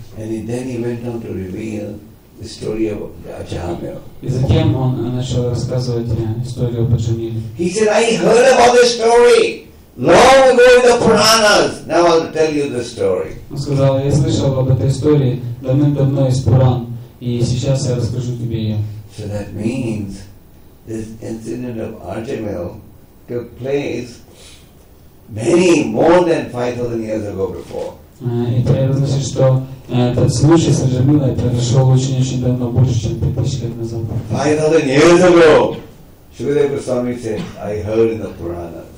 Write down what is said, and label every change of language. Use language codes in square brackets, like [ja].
[en] And then he went on to reveal the story of Ajamil. [ru] И затем он начал рассказывать историю об Аджамиле. [en] He said, I heard about this story long ago in the Puranas. Now I'll tell you the story. [ru] Он сказал, я слышал об этой истории давным-давно из Пуран, и сейчас я расскажу тебе ее. [en] So that means this incident of Ajamil took place many more than 5,000 years ago before. [ru] Это означает, что этот случай с Аджамилой произошел очень-очень давно, больше, чем 5,000 лет назад. [en] 5,000 years ago, Shukadeva Goswami said, I heard in the Puranas.